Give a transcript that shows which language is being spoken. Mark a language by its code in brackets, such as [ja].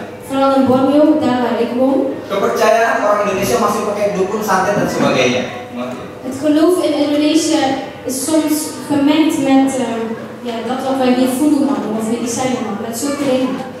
[nl] Vooral in Borneo daar waar ik woon. [id] Kepercayaan orang Indonesia masih pakai dukun, santet dan sebagainya. [nl] Het geloof in Indonesia is soms gemengd met ja, dat wat wij hier voedsel maken of medicijnen maken, met zulke dingen.